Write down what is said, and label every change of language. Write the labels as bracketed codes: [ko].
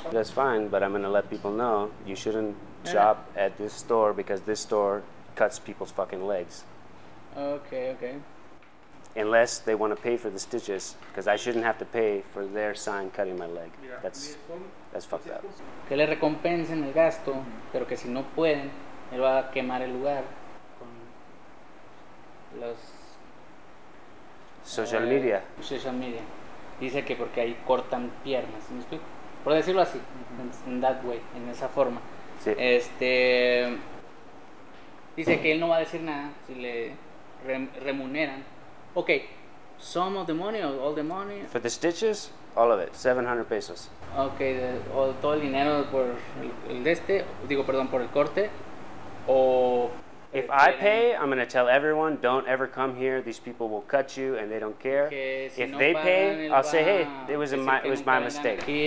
[en] That's fine, but I'm going to let people know you shouldn't shop at this store because this store cuts people's fucking legs. Okay, okay. unless they want to pay for the stitches, because I shouldn't have to pay for their sign cutting my leg. That's fucked up. [es] Que le recompensen el gasto, pero que si no pueden, él va a quemar el lugar con los [en] social media. Social media. [es] Dice que porque ahí cortan piernas, ¿me explico? Por decirlo así, [en] in that way, [es] en esa forma. Sí. Dice que él no va a decir nada si le remuneran. [en] Okay, some of the money or all the money? For the stitches, all of it, 700 pesos. [es] Okay, todo el dinero por el de este, digo, perdón, por el corte, o... [en] If I pay, I'm going to tell everyone, don't ever come here. These people will cut you and they don't care. If they pay, I'll say, hey, it was my mistake.